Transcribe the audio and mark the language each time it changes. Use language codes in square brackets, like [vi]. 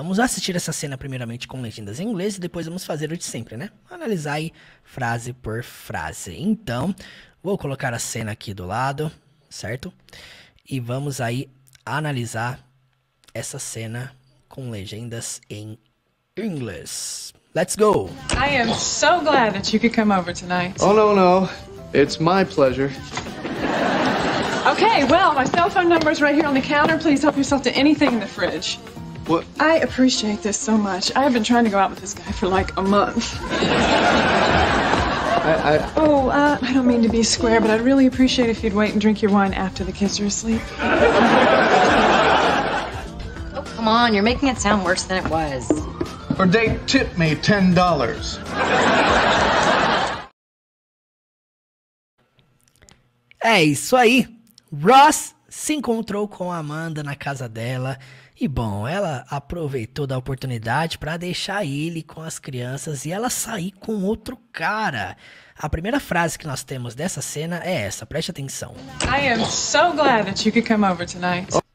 [pt] Vamos assistir essa cena primeiramente com legendas em inglês e depois vamos fazer o de sempre, né? Analisar aí frase por frase. Então, vou colocar a cena aqui do lado, certo? E vamos aí analisar essa cena com legendas em inglês. [en] Let's go! I am so glad that you could come over tonight. Oh, no, no. It's my pleasure. Okay, well, my cell phone number is right here on the counter. Please help yourself to anything in the fridge. What? I appreciate this so much. I have been trying to go out with this guy for like a month. I don't mean to be square, but I'd really appreciate if you'd wait and drink your wine after the kids are asleep. Come on, you're making it sound worse than it was. For date, tip me $10. [pt] É isso aí. Ross se encontrou com a Amanda na casa dela. E bom, ela aproveitou da oportunidade para deixar ele com as crianças e ela sair com outro cara. A primeira frase que nós temos dessa cena é essa, preste atenção. [en] I am so glad that you could come over tonight.